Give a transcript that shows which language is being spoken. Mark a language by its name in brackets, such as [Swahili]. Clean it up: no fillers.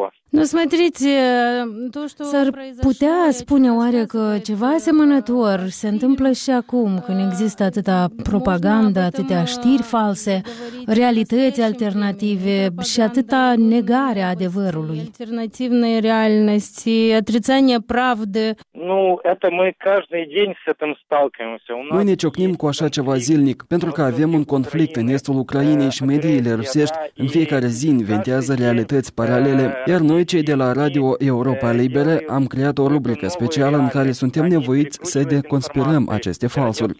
[Romanian] S-ar putea spune oare că ceva asemănător se întâmplă și acum, când există atâta propagandă, atâtea știri false, realități alternative și atâta negare a adevărului? Alternativne realități, [Russian] отрицание правды. Ну, это мы каждый день с этим сталкиваемся. [Romanian] Noi ne ciocnim cu așa ceva zilnic, pentru că avem un conflict în estul Ucrainei și mediile rusești în fiecare zi inventează realități paralele. Iar noi, cei de la Radio Europa Libere, am creat o rubrică specială în care suntem nevoiți să deconspirăm aceste falsuri.